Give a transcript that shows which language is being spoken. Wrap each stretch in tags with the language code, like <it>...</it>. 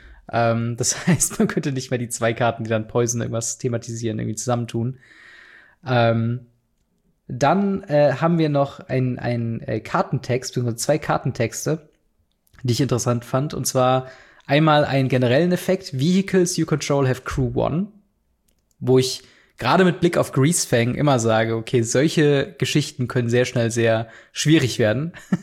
<de>Das heißt, man könnte nicht mehr die zwei Karten, die dann Poison irgendwas thematisieren, irgendwie zusammentun. Dann haben wir noch ein Kartentext, beziehungsweise zwei Kartentexte, die ich interessant fand. Und zwar einmal einen generellen Effekt.</de> <en>Vehicles you control have crew one.</en> <de>Wo ich gerade mit Blick auf Greasefang immer sage, okay, solche Geschichten können sehr schnell sehr schwierig werden.</de>